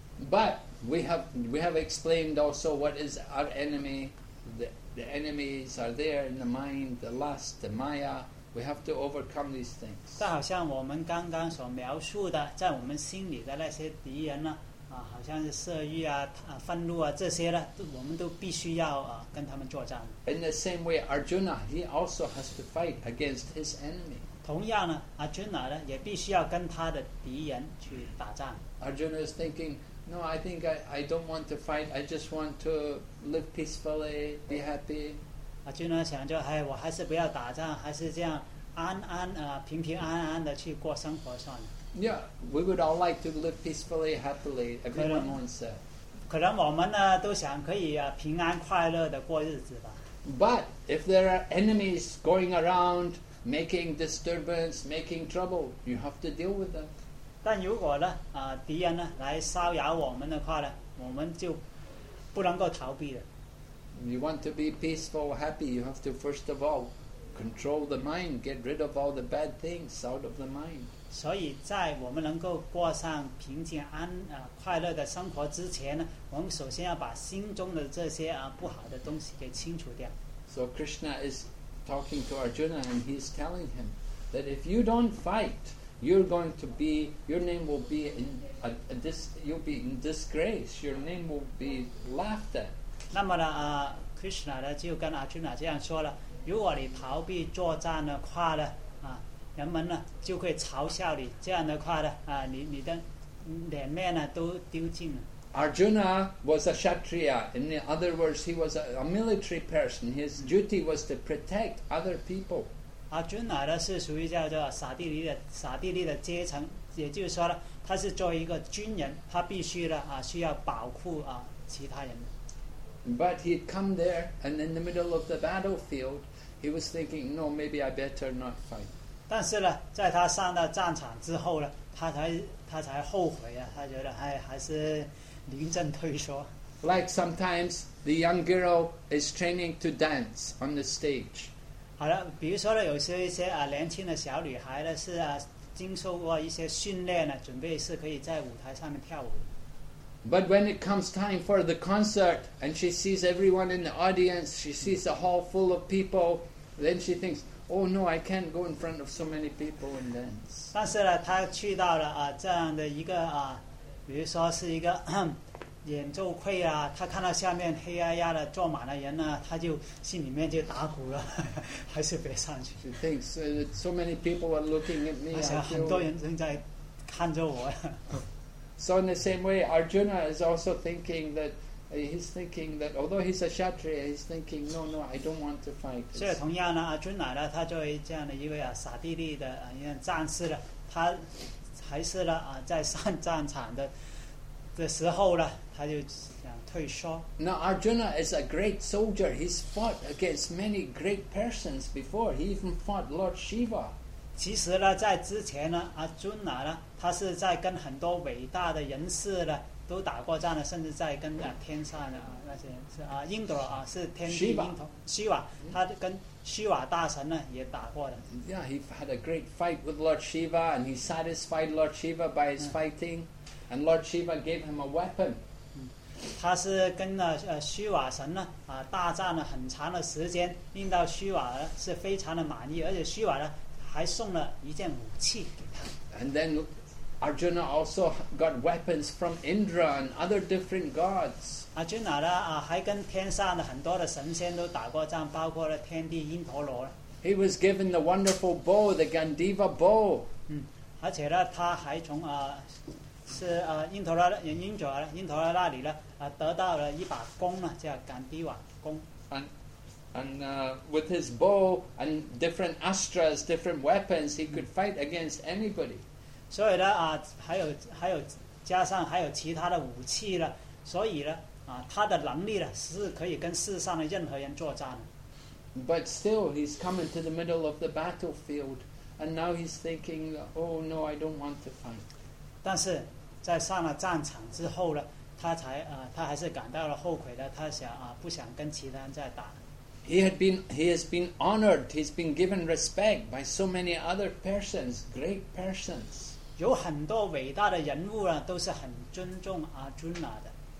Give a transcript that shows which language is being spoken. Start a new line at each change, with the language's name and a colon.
English: But we have explained also what is our enemy. The enemies are there in the mind, the lust, the maya. We have to overcome these things.
Chinese: 但好像我们刚刚所描述的，在我们心里的那些敌人呢？好像是色欲啊，愤怒啊，这些呢，我们都必须要跟他们作战。
English: In the same way, Arjuna, he also has to fight against his enemy.
Chinese: 同样呢， Arjuna 呢也必须要跟他的敌人去打仗。
English: Arjuna is thinking, no, I think I don't want to fight. I just want to live peacefully, be happy.
Chinese: Arjuna 想着，哎，我还是不要打仗，还是这样平平安安的去过生活算了。
English: Yeah, we would all like to live peacefully, happily. Everyone wants that.
Chinese: 可能我们呢都想可以平安快乐的过日子吧。
English: But if there are enemies going around making disturbance, making trouble, you have to deal with them.
Chinese: 但如果呢敌人呢来骚扰我们的话呢，我们就不能够逃避了。
English: You want to be peaceful, happy. You have to first of all control the mind, get rid of all the bad things out of the mind.
Chinese: 所以在我们能够过上平静安快乐的生活之前呢，我们首先要把心中的这些不好的东西给清除掉。
English: So Krishna is talking to Arjuna and he's telling him that if you don't fight, you're going to be, your name will be in you'll be in disgrace. Your name will be laughed at.
Chinese: 那么呢Krishna 呢就跟 Arjuna 这样说了，如果你逃避作战的话呢，人们呢就会嘲笑你，这样的话呢你的脸面呢都丢尽了。
English: Arjuna was a Kshatriya, in other words, he was a military person. His duty was to protect other people.
Chinese: Arjuna 呢是属于叫做萨地利的阶层，也就是说呢，他是作为一个军人，他必须呢需要保护其他人。
English: But he had come there, and in the middle of the battlefield, he was thinking, no, maybe I better not fight.
Chinese: 但是呢，在他上到战场之后呢，他才后悔啊，他觉得哎，还是临阵退缩。
English: Like sometimes the young girl is training to dance on the stage.
Chinese: 好了，比如说呢，有些年轻的小女孩呢是经受过一些训练呢，准备是可以在舞台上面跳舞。
English: But when it comes time for the concert and she sees everyone in the audience, she sees a hall full of people, then she thinks. Oh no, I can't go in front of so many people and dance.
Chinese: 但是呢，他去到了这样的一个比如说是一个演奏会啊，他看到下面黑压压的坐满了人呢，他就心里面就打鼓了，还是别上去。
English: She thinks so many people are looking at me.
Chinese: 而且很多人正在看着我。
English: So in the same way, Arjuna is also thinking that. He's thinking that although he's a Kshatriya, he's thinking, no, no, I don't want to fight.
Chinese: 所以同样呢，阿尊奶呢，他作为这样的一位萨地利的一位战士呢，他还是呢在上战场的时候呢，他就想退缩。
English: Now Arjuna is a great soldier. He's fought against many great persons before. He even fought Lord Shiva.
Chinese: 其实呢，在之前呢，阿尊奶呢，他是在跟很多伟大的人士呢。都打过仗了，甚至在跟天上的那些是啊，印度啊是天帝印度西瓦，他跟西瓦大神呢也打过的。
English: Yeah, he had a great fight with Lord Shiva, and he satisfied Lord Shiva by his fighting, and Lord Shiva gave him a weapon.
Chinese: 他是跟了虚瓦神呢大战了很长的时间，令到虚瓦是非常的满意，而且虚瓦呢还送了一件武器给他。
English: And then Arjuna also got weapons from Indra and other different gods.
Chinese: Arjuna 呢还跟天上的很多的神仙都打过仗，包括了天帝因陀罗。
English: He was given the wonderful bow, the Gandiva bow.
Chinese: 而且呢他还从是因陀罗的因陀罗那里呢得到了一把弓呢，叫甘迪瓦弓。
English: And with his bow and different astras, different weapons, he could fight against anybody.
Chinese: 所以呢还有加上还有其他的武器了，所以呢他的能力呢是可以跟世上的任何人作战的。
English: But still, he's coming to the middle of the battlefield, and now he's thinking, "Oh no, I don't want to fight."
Chinese: 但是在上了战场之后呢，他还是感到了后悔的，他想不想跟其他人再打。
English: He has been honored, he's been given respect by so many other persons, great persons.
Chinese: 有很多伟大的人物呢，都是很尊重阿尊那的。